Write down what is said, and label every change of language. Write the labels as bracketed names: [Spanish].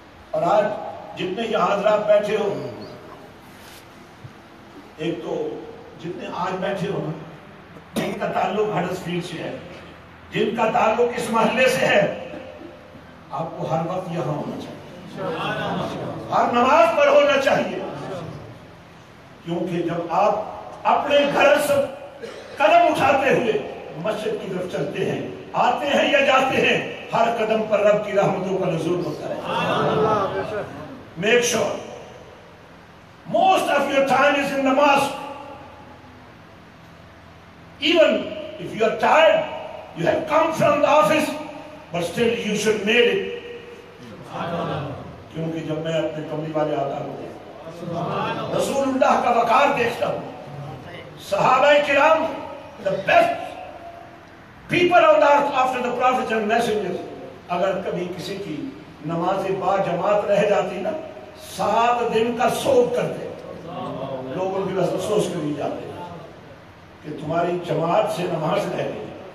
[Urdu] اور آج جتنے یہ حضرات بیٹھے ہو، ایک تو جتنے آج بیٹھے ہو جن کا تعلق ہڈس فیلڈ سے ہے، جن کا تعلق اس محلے سے ہے، آپ کو ہر وقت یہاں ہونا چاہیے، ہر نماز پر ہونا چاہیے، کیونکہ جب آپ اپنے گھر سے قدم اٹھاتے ہوئے مسجد کی طرف چلتے ہیں، آتے ہیں یا جاتے ہیں، ہر قدم پر رب کی رحمتوں کا نزول ہوتا ہے. [English] Make sure most of your time is in namaz. Even if you are tired, you have come from the office, but still you should make it. [Urdu] کیونکہ جب میں اپنے کملی والے آقا کو دیکھتا ہوں، رسول اللہ کا وقار دیکھتا ہوں، صحابہ کرام [English] the best people on earth after the prophets and messengers، [Urdu] اگر کبھی کسی کی نماز با جماعت رہ جاتی نا، سات دن کا سوگ کرتے، لوگوں کی بس افسوس کر ہی جاتے کہ تمہاری جماعت سے نماز رہ گئی.